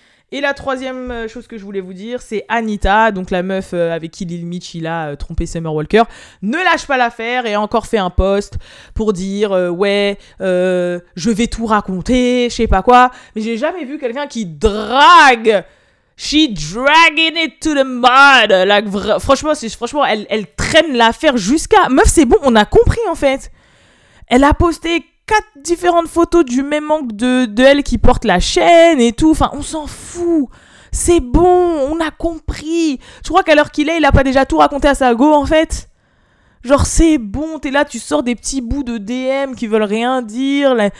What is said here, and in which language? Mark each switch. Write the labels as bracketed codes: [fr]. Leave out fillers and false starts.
[fr] Et la troisième chose que je voulais vous dire, c'est Anita, donc la meuf avec qui Lil Mitch il a trompé Summer Walker, ne lâche pas l'affaire et a encore fait un post pour dire je vais tout raconter, je sais pas quoi. Mais j'ai jamais vu quelqu'un qui drague. [en] She dragging it to the mud. [fr] Like, franchement, elle traîne l'affaire jusqu'à. Meuf, c'est bon, on a compris en fait. Elle a posté 4 différentes photos du même angle de elle qui porte la chaîne et tout. Enfin, on s'en fout. C'est bon, on a compris. Tu crois qu'à l'heure qu'il est, il a pas déjà tout raconté à sa go, en fait ? Genre, c'est bon, t'es là, tu sors des petits bouts de DM qui veulent rien dire.